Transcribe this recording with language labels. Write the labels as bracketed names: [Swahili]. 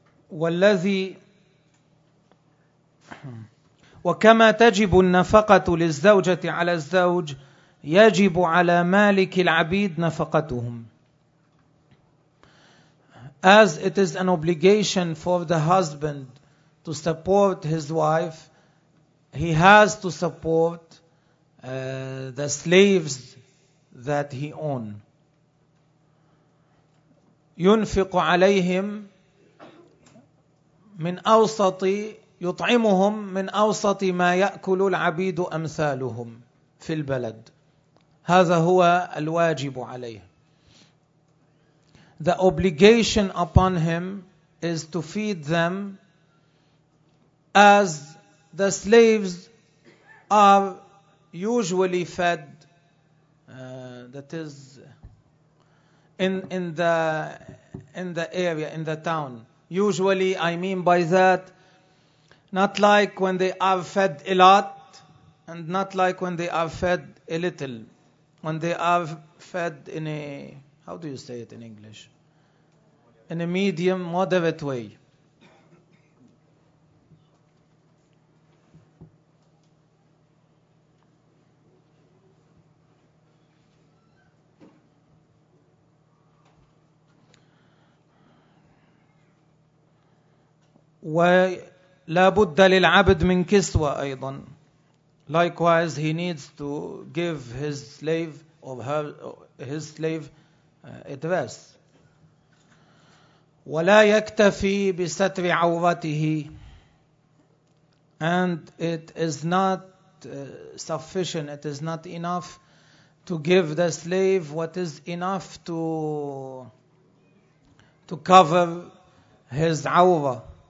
[Arabic] والذي وكما تجب النفقة للزوجة على الزوج يجب على مالك العبيد نفقتهم. [English] As it is an obligation for the husband to support his wife, he has to support the slaves that he own. [Arabic] ينفق عليهم من أوسط يطعمهم من أوسط ما يأكل العبيد أمثالهم في البلد. هذا هو الواجب عليه. [English] The obligation upon him is to feed them as the slaves are usually fed, that is in the area, in the town. Usually, I mean by that, not like when they are fed a lot, and not like when they are fed a little. When they are fed in a, how do you say it in English? In a medium, moderate way. [Arabic] ولا بد للعبد من كسوة أيضا. [English] Likewise, he needs to give his slave or her, his slave a dress. [Arabic] ولا يكتفي بستر عورته. [English] And it is not sufficient, it is not enough to give the slave what is enough to cover his awra.